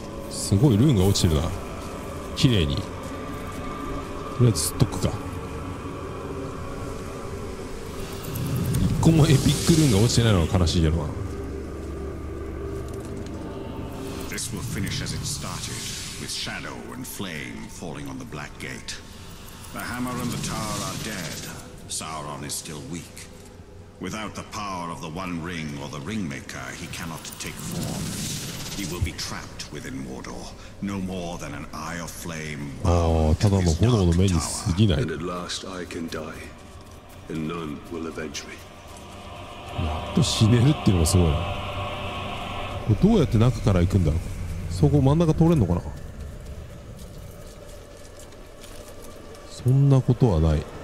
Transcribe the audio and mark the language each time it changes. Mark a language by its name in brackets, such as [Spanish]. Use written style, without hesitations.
[Japanese] すごい、ルーンが落ちてるな。綺麗に。とりあえず吸っとくか。一個もエピックルーンが落ちてないのが悲しいけどな。 [English] This will finish as it started, with shadow and flame falling on the black gate. The hammer and the tower are dead. Sauron is still weak. Without the power of the One Ring or the Ringmaker, he cannot take form. He will be trapped within Mordor, no more than an eye of flame. [Japanese] ただの炎の目に過ぎない。 [English] And at last I can die, and none will avenge me. [Japanese] やっと死ねるっていうのがすごいな。これどうやって中から行くんだろう。そこ真ん中通れんのかな。そんなことはない。